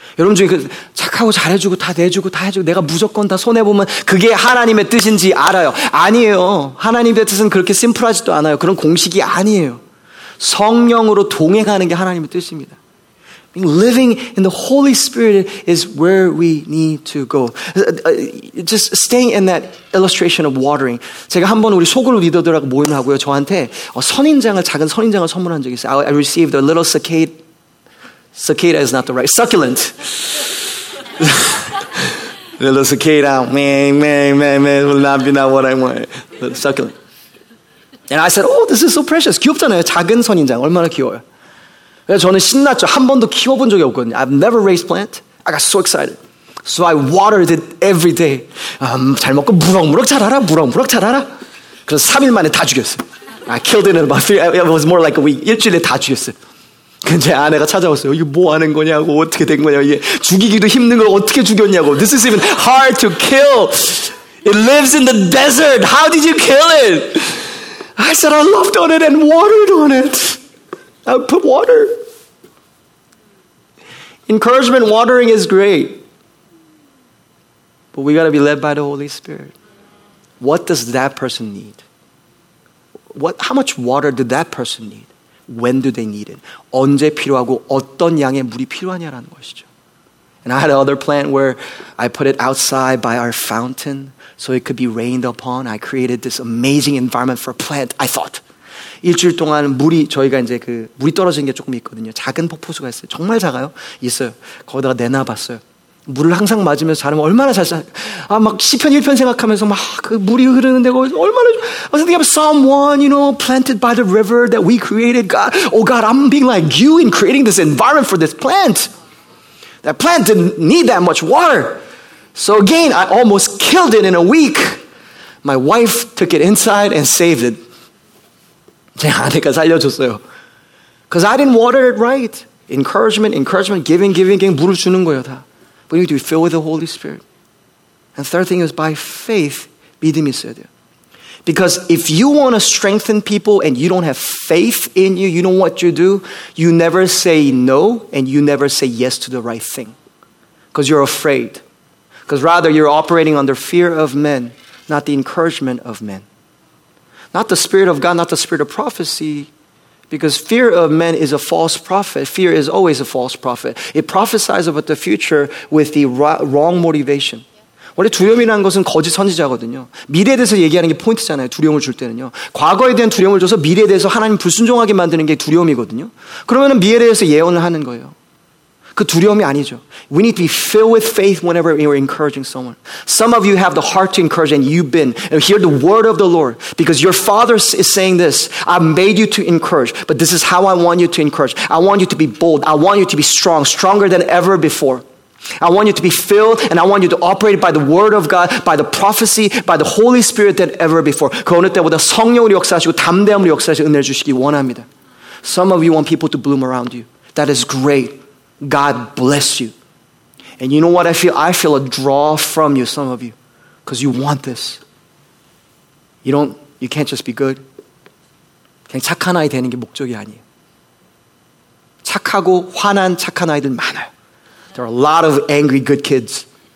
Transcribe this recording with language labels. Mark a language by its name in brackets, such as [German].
[Korean] 여러분 중에 착하고 잘해주고 다 내주고 다 해주고 내가 무조건 다 손해보면 그게 하나님의 뜻인지 알아요. 아니에요. 하나님의 뜻은 그렇게 심플하지도 않아요. 그런 공식이 아니에요. 성령으로 동행하는 게 하나님의 뜻입니다. [English] Living in the Holy Spirit is where we need to go. Just staying in that illustration of watering. [Korean] 제가 한번 우리 소그룹 리더들하고 모임을 하고요. 저한테 선인장을, 작은 선인장을 선물한 적이 있어요. [English] I received a little cicada. Cicada is not the right. Succulent. Little cicada. Man, will not be not what I want. Little succulent. And I said, oh, this is so precious. [Korean] 귀엽잖아요. 작은 선인장. 얼마나 귀여워요. 그래서 저는 신났죠. 한 번도 키워본 적이 없거든요. [English] I've never raised plant. I got so excited. So I watered it every day. [Korean] 잘 먹고 무럭무럭 자라라. 무럭무럭 자라라. 그래서 3일 만에 다 죽였어요. [English] I killed it in about 3, it was more like a week. [Korean] 일주일에 다 죽였어요. 근데 제 아내가 찾아왔어요. 이거 뭐 하는 거냐고, 어떻게 된 거냐고, 이게 죽이기도 힘든 걸 어떻게 죽였냐고. [English] This is even hard to kill. It lives in the desert. How did you kill it? I said, I loved on it and watered on it. I put water. Encouragement, watering is great. But we gotta be led by the Holy Spirit. What does that person need? How much water did that person need? When do they need it? [Korean] 언제 필요하고 어떤 양의 물이 필요하냐라는 것이죠. [English] And I had another plant where I put it outside by our fountain so it could be rained upon. I created this amazing environment for a plant, I thought. [Korean] 일주일 동안 물이 저희가 이제 그 물이 떨어진 게 조금 있거든요. 작은 폭포수가 있어요. 정말 작아요. 있어요. 거기다가 내놔봤어요. 물을 항상 맞으면서 자르면 얼마나 잘 자라요. 아, 막 시편 1편 생각하면서 막 그 물이 흐르는데 얼마나 좋아. [English] I was thinking of someone, you know, planted by the river that we created. God, oh God, I'm being like you in creating this environment for this plant. That plant didn't need that much water. So again, I almost killed it in a week. My wife took it inside and saved it. [Korean] 제 아내가 살려줬어요. [English] Because I didn't water it right. Encouragement, giving, [Korean] 물을 주는 거예요, 다. [English] We need to be filled with the Holy Spirit. And third thing is by faith, [Korean] 믿음이 있어야 돼요. [English] Because if you want to strengthen people and you don't have faith in you, you know what you do? You never say no and you never say yes to the right thing. Because you're afraid. Because rather you're operating under fear of men, not the encouragement of men. Not the spirit of God, not the spirit of prophecy. Because fear of men is a false prophet. Fear is always a false prophet. It prophesies about the future with the wrong motivation. [Korean] 원래 두려움이라는 것은 거짓 선지자거든요. 미래에 대해서 얘기하는 게 포인트잖아요. 두려움을 줄 때는요. 과거에 대한 두려움을 줘서 미래에 대해서 하나님 불순종하게 만드는 게 두려움이거든요. 그러면은 미래에 대해서 예언을 하는 거예요. 그 두려움이 아니죠. [English] We need to be filled with faith whenever we're encouraging someone. Some of you have the heart to encourage and you've been and hear the word of the Lord because your father is saying this, I've made you to encourage, but this is how I want you to encourage. I want you to be bold. I want you to be strong, stronger than ever before. I want you to be filled and I want you to operate by the word of God, by the prophecy, by the Holy Spirit than ever before. [Korean] 그 어느 때보다 성령으로 역사하시고 담대함으로 역사하시고 은혜 주시기 원합니다. [English] Some of you want people to bloom around you. That is great. God bless you. And you know what I feel? I feel a draw from you, some of you, because you want this. You can't just be good. [Korean] 그냥 착한 아이 되는 게 목적이 아니에요. 착하고 화난 착한 아이들 많아요. [English] There are a lot of angry good kids.